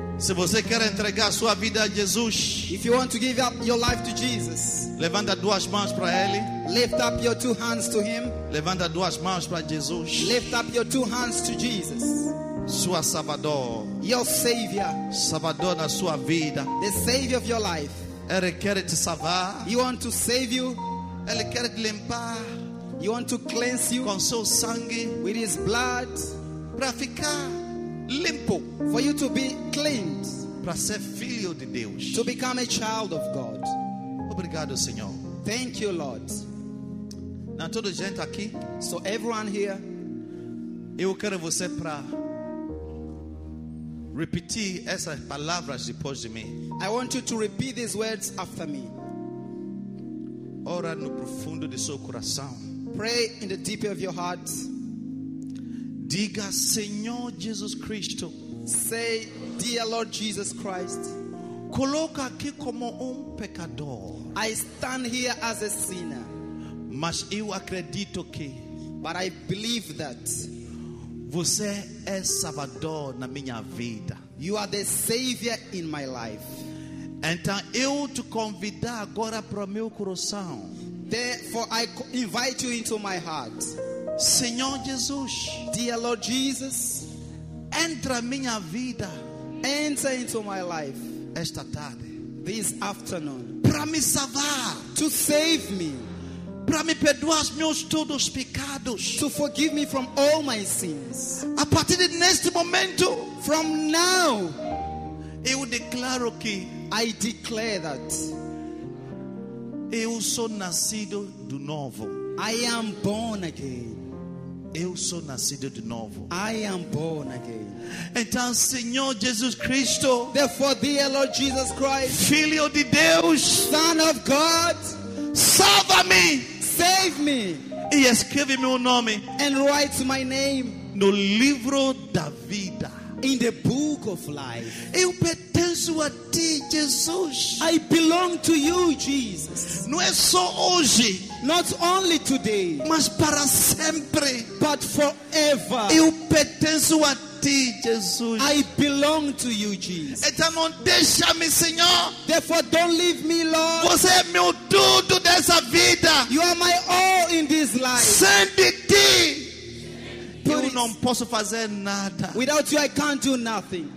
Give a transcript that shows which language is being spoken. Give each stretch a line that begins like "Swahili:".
Portuguese: Se você quer entregar sua vida a Jesus,
English: if you want to give up your life to Jesus,
Portuguese: levanta duas mãos para ele.
English: Lift up your two hands to him.
Portuguese: Levanta duas mãos para Jesus.
English: Lift up your two hands to Jesus.
Portuguese: Sua Salvador.
English: Your Savior.
Portuguese: Salvador da sua vida.
English: The Savior of your life.
Portuguese: Ele quer te salvar.
English: He want to save you.
Portuguese: Ele quer te limpar.
English: He want to cleanse you.
Portuguese: Com seu sangue.
English: With his blood.
Portuguese: Para ficar limpo.
English: For you to be cleansed.
Portuguese: Para ser filho de Deus.
English: To become a child of God.
Portuguese: Obrigado, Senhor.
English: Thank you, Lord.
Portuguese: Now, toda gente aqui.
English: So everyone here.
Portuguese: Eu quero você para repetir essas palavras depois de mim.
English: I want you to repeat these words after me.
Portuguese: Ora no profundo de seu coração.
English: Pray in the deep of your heart.
Portuguese: Diga, Senhor Jesus Cristo.
English: Say, dear Lord Jesus Christ.
Portuguese: Coloca aqui como pecador.
English: I stand here as a sinner.
Portuguese: Mas eu acredito que.
English: But I believe that.
Portuguese: Você é Salvador na minha vida.
English: You are the Savior in my life.
Portuguese: Então eu te convido agora para meu coração.
English: Therefore, I invite you into my heart.
Portuguese: Senhor Jesus.
English: Dear Lord Jesus.
Portuguese: Entra minha vida.
English: Enter into my life.
Portuguese: Esta tarde.
English: This afternoon.
Portuguese: Para me salvar.
English: To save me.
Portuguese: Para me perdoar os meus todos pecados.
English: To forgive me from all my sins.
Portuguese: A partir de neste momento.
English: From now.
Portuguese: Eu declaro que.
English: I declare that.
Portuguese: Eu sou nascido de novo.
English: I am born again.
Portuguese: Eu sou nascido de novo.
English: I am born again.
Portuguese: Então, Senhor Jesus Cristo.
English: Therefore, dear Lord Jesus Christ.
Portuguese: Filho de Deus.
English: Son of God.
Portuguese: Salva-me.
English: Save me.
Portuguese: E escreve meu nome.
English: And write my name.
Portuguese: No livro da vida.
English: In the book of life.
Portuguese: Eu pertenço a ti, Jesus.
English: I belong to you, Jesus.
Portuguese: Não é só hoje.
English: Not only today.
Portuguese: Mas para sempre.
English: But forever.
Portuguese: Eu pertenço a ti, Jesus.
English: I belong to you, Jesus.
Portuguese: Então não deixa-me, Senhor.
English: Therefore, don't leave me, Lord.
Portuguese: Você é meu tudo dessa vida.
English: You are my all in this life.
Portuguese: Sem de ti. Eu não posso fazer nada.
English: Without you, I can't do nothing.